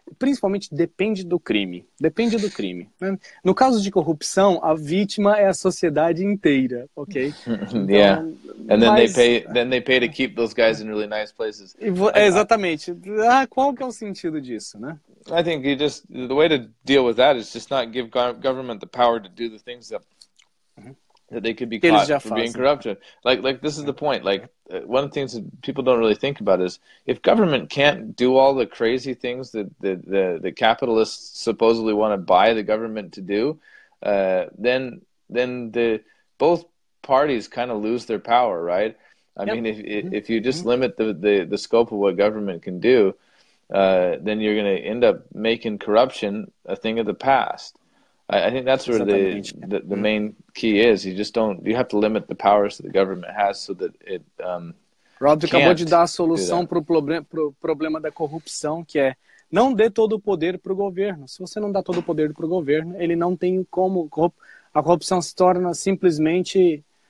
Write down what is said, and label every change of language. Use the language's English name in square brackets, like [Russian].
[Portuguese] Principalmente depende do crime. Depende do crime. Né? No caso de corrupção, a vítima é a sociedade inteira, ok? Então, yeah. [English] And then they pay to keep those guys in really nice places. [Portuguese] Exatamente. Ah, qual que é o sentido disso, né? [English] I think you just the way to deal with that is just not give government the power to do the things that they could be caught for being corrupt. Like this is the point. Like one of the things that people don't really think about is if government can't do all the crazy things that the capitalists supposedly want to buy the government to do, then the both parties kind of lose their power, right? I mean, if you just limit the scope of what government can do, then you're going to end up making corruption a thing of the past. I think that's where the main key is. You have to limit the powers that the government has so that it [Portuguese] Rob, can't acabou de dar a solução para o problema da corrupção, que é não dê todo o poder para o governo. Se você não dá todo o poder para o governo, ele não tem como... A corrupção se torna simplesmente...